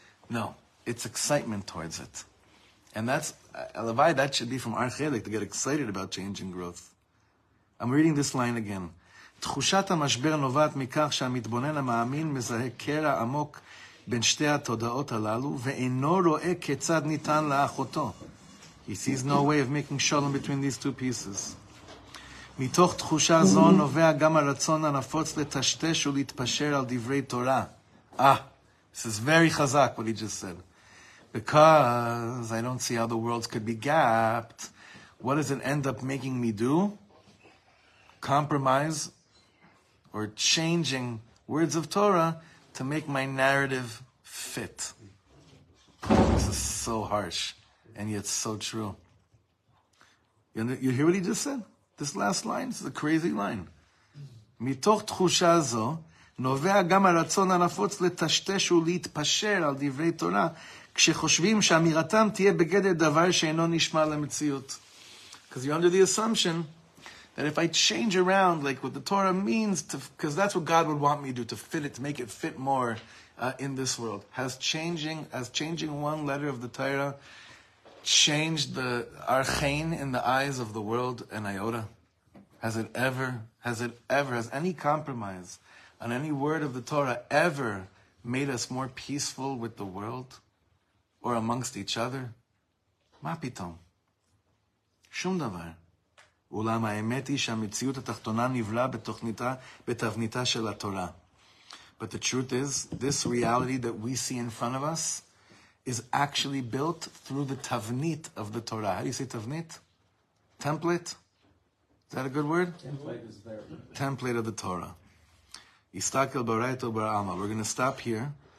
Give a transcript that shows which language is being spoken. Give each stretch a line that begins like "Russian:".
English: No, it's excitement towards it. And that's, Elavai, that should be from our chelik, to get excited about change and growth. I'm reading this line again.
Hebrew: תחושת המשבר נובעת מכך שהמתבונן המאמין מזהה קרע עמוק בין שתי התודעות הללו ואינו רואה כיצד ניתן לאחותו.
English: He sees no way of making shalom between these two pieces.
Hebrew: מתוך תחושה זו נובע גם הרצון הנפוץ לטשטש ולהתפשר על דברי תורה.
English: Ah, this is very chazak what he just said. Because I don't see how the worlds could be gapped. What does it end up making me do? Compromise? Or changing words of Torah to make my narrative fit. This is so harsh, and yet so true. You hear what he just said? This last line? This is a crazy line.
Hebrew: מתוך תחושה זו, נובע גם הרצון הנפוץ לטשטש ולהתפשר על דברי תורה, כשחושבים שאמירתם תהיה בגדר דבר שאינו נשמע למציאות.
English: Because you're under the assumption that if I change around, like what the Torah means, because that's what God would want me to do, to fit it, to make it fit more in this world. Has changing one letter of the Torah changed the archein in the eyes of the world an iota? Has it ever, has any compromise on any word of the Torah ever made us more peaceful with the world or amongst each other?
Hebrew: Ma pitom. Shum davar. אולם האמת היא שהמציאות התחתונה נבלה בתוכניתה, בתבניתה של התורה.
English: But the truth is, this reality that we see in front of us is actually built through the תבנית of the Torah. How do you say תבנית? Template? Is that a good word? Template is there. Template of the Torah.
Hebrew: יסתכל בראיתו בראמה.
English: We're going to stop here.